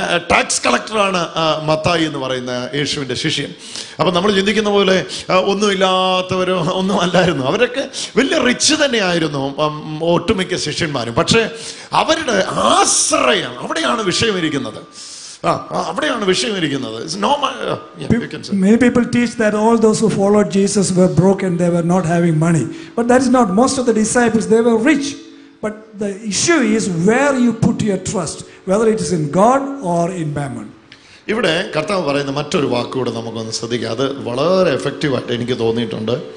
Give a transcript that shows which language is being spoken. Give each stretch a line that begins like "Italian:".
Malayalam: tax കളക്ടറാണ് Mathai എന്ന് പറയുന്ന യേശുവിൻ്റെ ശിഷ്യൻ അപ്പം നമ്മൾ ചിന്തിക്കുന്ന പോലെ ഒന്നുമില്ലാത്തവരോ ഒന്നും അല്ലായിരുന്നു അവരൊക്കെ വലിയ റിച്ച് തന്നെയായിരുന്നു ഒട്ടുമിക്ക ശിഷ്യന്മാരും പക്ഷേ അവരുടെ ആശ്രയം അവിടെയാണ് വിഷയമിരിക്കുന്നത് അവിടെയാണ് വിഷയമിരിക്കുന്നത്
English: many people teach that all those who followed Jesus were broken they were not having money but that is not most of the disciples they were rich but the issue is where you put your trust whether it is in God or in mammon
Malayalam: ഇവിടെ കർത്താവ് പറയുന്ന മറ്റൊരു വാക്ക് കൂടി നമുക്കൊന്ന് ശ്രദ്ധിക്കുക അത് വളരെ effective ആയിട്ട് എനിക്ക് തോന്നിയിട്ടുണ്ട്